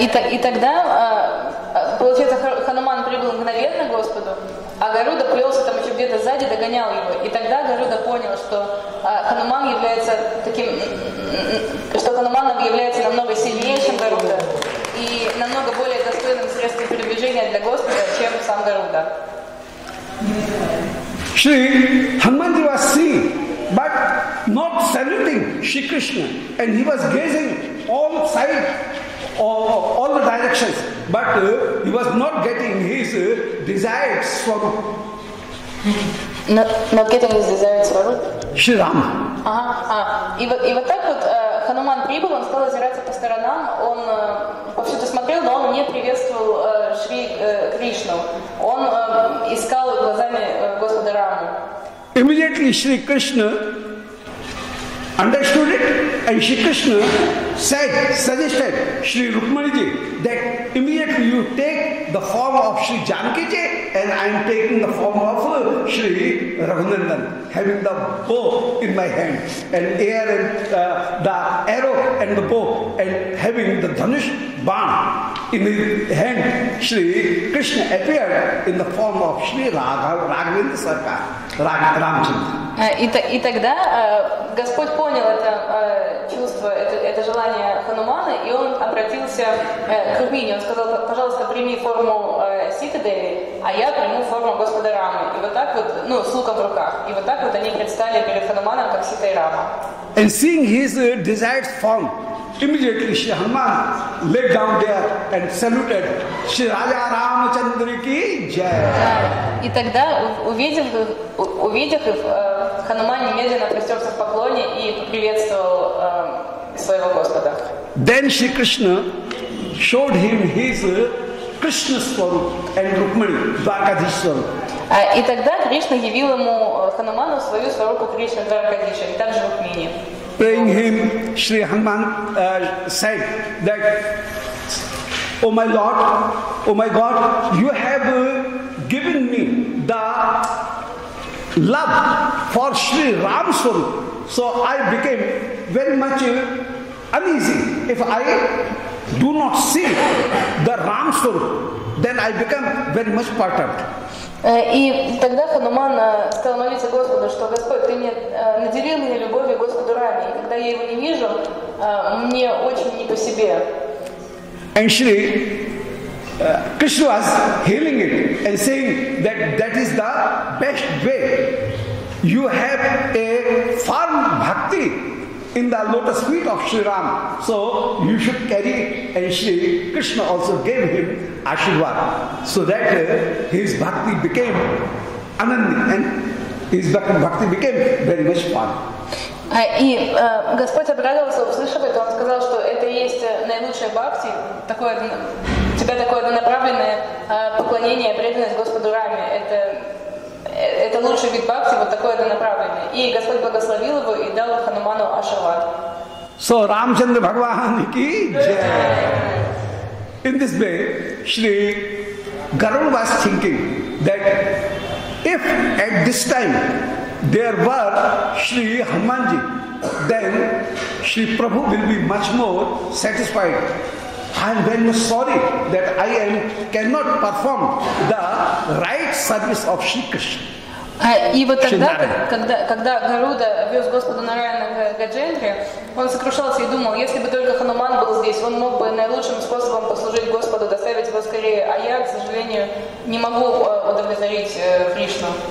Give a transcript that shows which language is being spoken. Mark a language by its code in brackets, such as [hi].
[ru] И тогда получается, Хануман прибыл мгновенно к Господу, а Гаруда плелся там еще где-то сзади, догонял его. И тогда Гаруда понял, что Хануман является таким, что Хануман является намного сильнее, чем Гаруда, и намного более достойным средством передвижения для Господа, чем сам Гаруда. [en] Shri Hanumanji was seen, but not saluting Shri Krishna, and he was gazing all sides, all the directions, but he was not getting his desired swarup. Not getting his desired swarup? Shri Rama. [ru] И вот так вот Хануман прибыл, он стал озираться по сторонам, он повсюду смотрел, но он не приветствовал Шри Кришну. Он искал глазами Господа Раму. [en] Immediately Shri Krishna understood it, and Shri Krishna suggested Shri Rukmaniji that immediately you take the form of Shri Janakiji and I am taking the form of Shri Raghunandan, having the bow in my hand and air and the arrow and the bow and having the dhanush bomb in his hand. Shri Krishna appeared in the form of Shri Raghava, Raghavendra Sarkar, Ramchandra. [ru] И тогда Господь понял это чувство, это желание Хануманы, и он обратился к Рукмини. Он сказал: пожалуйста, прими форму Ситы Деви, а я приму форму Господа Рамы. И вот так вот, ну, с луком в руках. И вот так вот они предстали перед Хануманом как Сита и Рама. [en] And seeing his desired form, immediately Shri Hanuman laid down there and saluted [hi] Shri Raja Ramachandra ki jai. [ru] И тогда, увидев их, Хануман немедленно простерся в поклоне и поприветствовал своего Господа. [en] Then Shri Krishna showed him his Krishna swarup and Rukmini, Dwarkadhishwar. [ru] И тогда Кришна явил ему Хануману свою сваруку Кришна Дваракадиша, и также Рукмини. [en] Praying him, Shri Hanuman said that, "Oh my Lord, oh my God, you have given me the love for Shri Ramaswarup. So I became very much uneasy. If I do not see the Ramaswarup, then I become very much perturbed." [ru] И тогда Хануман стал молиться Господу, что Господь, ты мне наделил меня любовью к Господу Раме, и когда я его не вижу, мне очень не по себе. [en] And Shri Krishna was healing it and saying that that is the best way. You have a firm bhakti in the lotus feet of Shri Ram, so you should carry it. And Shri Krishna also gave him Ashirvad, so that his bhakti became anandi, and his bhakti became very much fun. [ru] И Господь обрадовался, услышав это, он сказал, что это есть наилучшая бхакти, такое однонаправленное поклонение, преданность Господу Раме. Это лучший вид бхакти, вот такое однонаправленное. И Господь благословил его и дал Хануману Аширвад. [hi] So Ramchandra Bhagavan ki jai. [en] In this way, Shri Garuda was thinking that if at this time there were Shri Hanumanji, then Shri Prabhu will be much more satisfied. I am very sorry that I cannot perform the right service of Shri Krishna. [ru] И вот тогда, когда Гаруда вез Господа Нараяна к Гаджендре, он сокрушался и думал, если бы только Хануман был здесь, он мог бы наилучшим способом послужить Господу, доставить его скорее. А я, к сожалению, не могу удовлетворить Кришну.